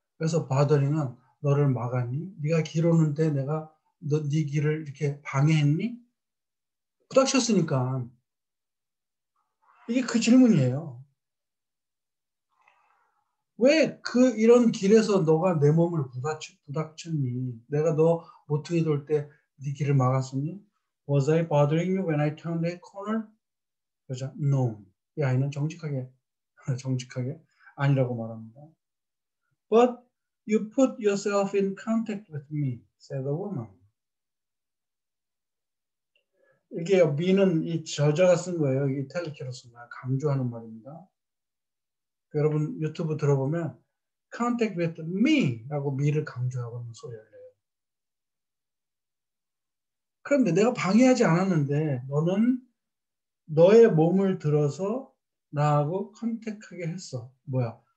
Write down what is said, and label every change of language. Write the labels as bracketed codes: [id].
[ko] 그래서 바더링은 너를 막았니? 네가 길 오는데 내가 너네 길을 이렇게 방해했니? 부닥쳤으니까. 이게 그 질문이에요. 왜그 이런 길에서 너가 내 몸을 부닥쳤니? 내가 너 모퉁이 돌때네 길을 막았었니? [en] Was I bothering you when I turned the corner? [ko] 그러자, [en] no. [ko] 이 아이는 정직하게 아니라고 말합니다. [en] But you put yourself in contact with me, said the woman. [ko] 이게 미는 이 저자가 쓴 거예요. 이탈릭으로 쓴 거야. 강조하는 말입니다. 여러분 유튜브 들어보면 [en] Contact with me [ko] 라고 미를 강조하고는 소리를 내요. 그런데 내가 방해하지 않았는데 너는 너의 몸을 들어서 나하고 컨택하게 했어. 뭐야?